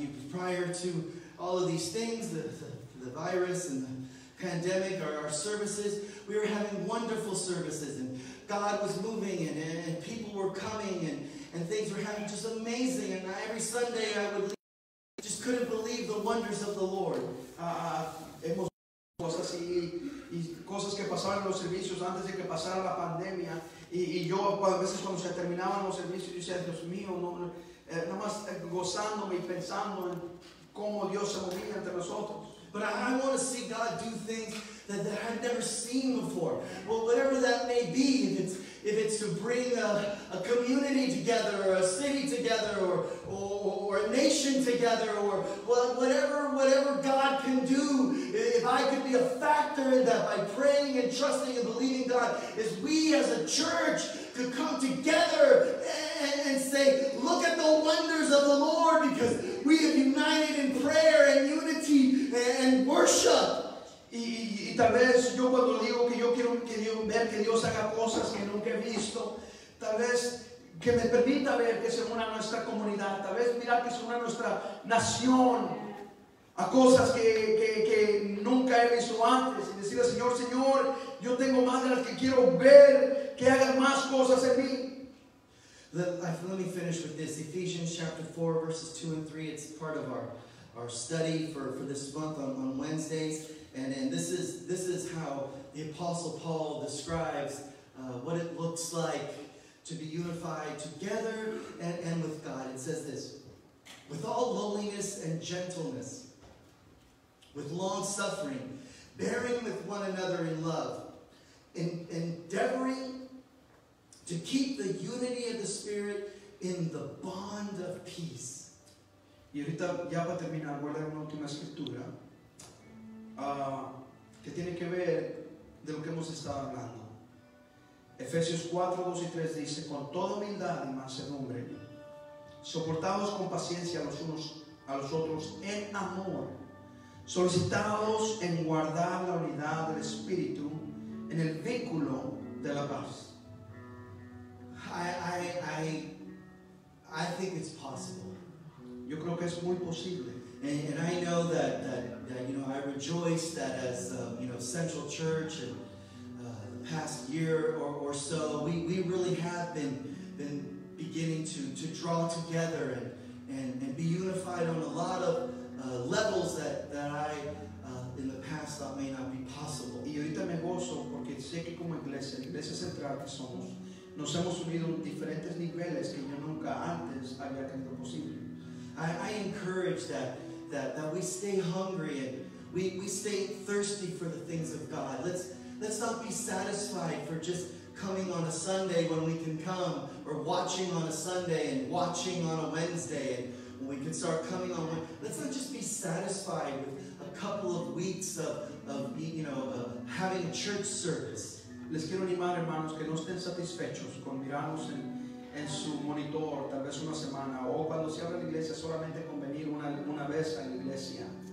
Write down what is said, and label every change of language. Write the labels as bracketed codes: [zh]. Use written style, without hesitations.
[en] Prior to all of these things, the virus and the pandemic, our services, we were having wonderful services, and God was moving, and people were coming, and things were happening just amazing. And every Sunday I would leave, I just couldn't believe the wonders of the Lord. [es] Hemos cosas y cosas que pasaban en los servicios antes de que pasara la pandemia. Y yo a veces cuando se terminaban los servicios yo decía, Dios mío, nada más gozándome y pensando en cómo Dios se movía entre nosotros. [en] But I want to see God do things that I've never seen before. Well, whatever that may be, if it's to bring a community together, or a city together, or a nation together, or whatever God can do, if I could be a factor in that by praying and trusting and believing God, is we as a church could come together and say, look at the wonders of the Lord, because we have united in prayer and unity and worship. [es] Y tal vez yo cuando digo que yo quiero ver que Dios haga cosas que nunca he visto, tal vez que me permita ver que se una nuestra comunidad, tal vez mirar que se una nuestra nación a cosas que nunca he visto antes, y decirle, Señor, yo tengo más de las que quiero ver, que hagan más cosas en mí. [en] Let me finish with this. Ephesians chapter 4 verses 2 and 3, it's part of our study for this month on Wednesdays. And this is how the Apostle Paul describes what it looks like to be unified together and with God. It says this, with all lowliness and gentleness, with long suffering, bearing with one another in love, in endeavoring to keep the unity of the Spirit in the bond of peace. [es] Y ahorita ya para terminar, voy a leer una última escritura. Que tiene que ver de lo que hemos estado hablando. Efesios 4, 2 y 3 dice, con toda humildad y mansedumbre, soportados con paciencia los unos a los otros en amor, solicitados en guardar la unidad del Espíritu en el vínculo de la paz. [en] I think it's possible. [es] Yo creo que es muy posible. [en] And I know that you know, I rejoice that as you know, Central Church and the past year or so, we really have been beginning to draw together and be unified on a lot of levels that I in the past thought may not be possible. [es] Y ahorita me gozo porque sé que como iglesia, la iglesia central que somos, nos hemos unido en diferentes niveles que yo nunca antes había creído posible. [en] I encourage that we stay hungry and we stay thirsty for the things of God. Let's not be satisfied for just coming on a Sunday when we can come, or watching on a Sunday and watching on a Wednesday and when we can start coming on Wednesday. Let's not just be satisfied with a couple of weeks of having a church service. [es] Les quiero animar, hermanos, que no estén satisfechos con mirarnos en su monitor, tal vez una semana, o cuando se abre la iglesia, solamente con venir una vez a la iglesia.